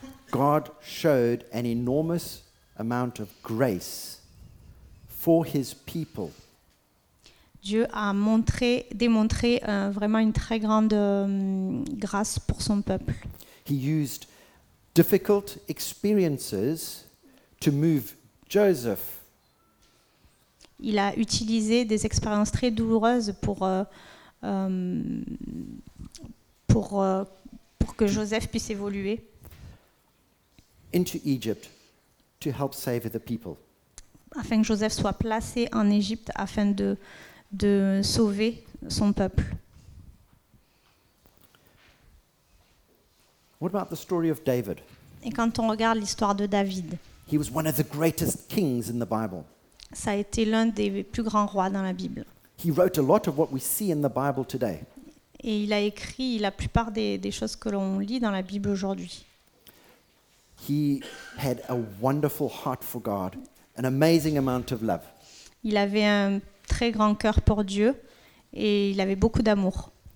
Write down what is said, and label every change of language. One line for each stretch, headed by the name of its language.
English: God showed an enormous amount of grace for his people.
French: Dieu a démontré vraiment une très grande grâce pour son peuple.
English: He used difficult experiences to move Joseph.
French: Il a utilisé des expériences très douloureuses pour que Joseph puisse évoluer.
English: Into Egypt to help save the people.
French: Afin que Joseph soit placé en Égypte afin de sauver son peuple.
English: What about the story of David?
French: Et quand on regarde l'histoire de David,
English: he was one of the greatest kings in the Bible.
French: Ça a été l'un des plus grands rois dans la Bible.
English: He wrote a lot of what we see in the Bible today.
French: Et il a écrit la plupart des choses que l'on lit dans la Bible aujourd'hui.
English: He had a wonderful heart for God, an amazing amount of love.
French: Il avait un très grand cœur pour Dieu et il avait beaucoup d'amour.